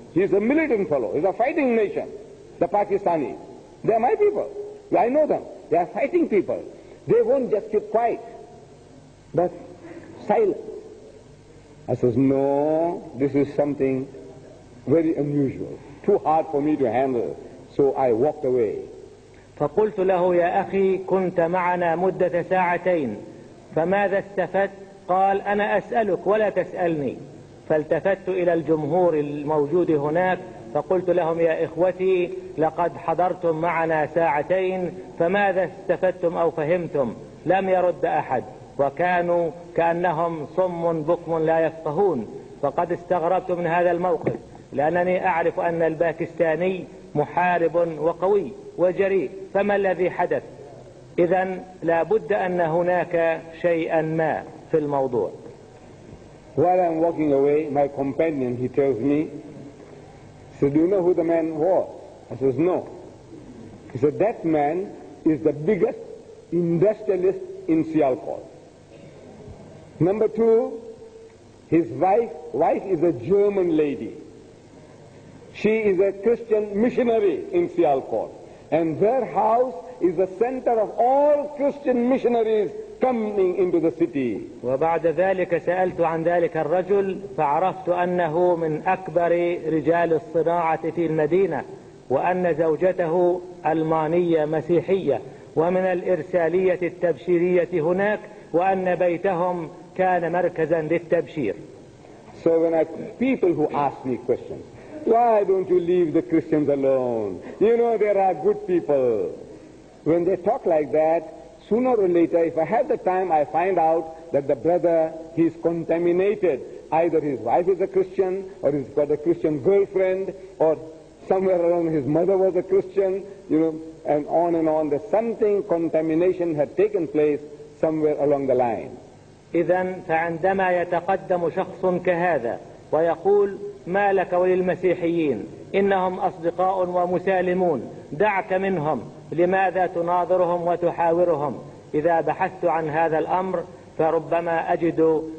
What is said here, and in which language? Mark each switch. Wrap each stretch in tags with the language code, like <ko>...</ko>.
<en>He's a militant fellow. He's a fighting nation, the Pakistani. They're my people. I know them. They are fighting people. They won't just keep quiet. But silence. I says, no, this is something very unusual, too hard for me to handle. So I walked away.</en> <ar>فقلت له: يا أخي، كنت معنا مدة ساعتين، فماذا استفدت؟ قال: أنا أسألك ولا تسألني. فالتفت إلى الجمهور الموجود هناك فقلت لهم: يا إخوتي، لقد حضرتم معنا ساعتين، فماذا استفدتم أو فهمتم؟ لم يرد أحد، وكانوا كأنهم صم بكم لا يفقهون. فقد استغربت من هذا الموقف، لأنني أعرف أن الباكستاني محارب وقوي وجريء، فما الذي حدث؟ إذن لابد أن هناك شيئا ما في الموضوع.</ar> <en>While I'm walking away, my companion, he tells me, he said, "Do you know who the man was?" I says, "No." He said, "That man is the biggest industrialist in Sialkot. Number two, his wife is a German lady. She is a Christian missionary in Sialkot. And their house is the center of all Christian missionaries coming into the city."</en> <ar>وبعد ذلك سألت عن ذلك الرجل، فعرفت أنه من أكبر رجال الصناعة في المدينة، وأن زوجته ألمانية مسيحية، ومن الإرسالية التبشيرية هناك، وأن بيتهم كان مركزا للتبشير.</ar> <en>So when people who ask me questions, "Why don't you leave the Christians alone? You know there are good people." When they talk like that, sooner or later, if I have the time, I find out that the brother, he's contaminated. Either his wife is a Christian, or he's got a Christian girlfriend, or somewhere along his mother was a Christian, you know, and on, there's something, contamination had taken place somewhere along the line.</en> <ar>إذن فعندما يتقدم شخص كهذا ويقول: ما لك وللمسيحيين؟ إنهم أصدقاء ومسالمون، دعك منهم، لماذا تناظرهم وتحاورهم؟ إذا بحثت عن هذا الأمر فربما أجد</ar>